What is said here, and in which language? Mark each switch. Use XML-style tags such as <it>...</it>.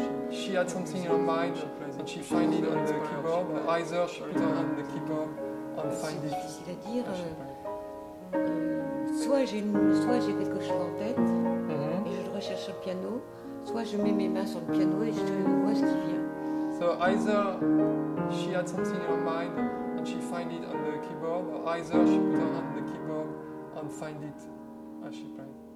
<en>She had something in her mind and she found it on the keyboard, but either she put her hand on the keyboard and find it.</en> <fr>Soit j'ai quelque chose en tête et je recherche un piano, soit je mets mes mains sur le piano et je vois ce qui vient.</fr> <en>So either she had something in her mind and she found it on the keyboard, or either she put her hand on the keyboard and find it as she played.</en>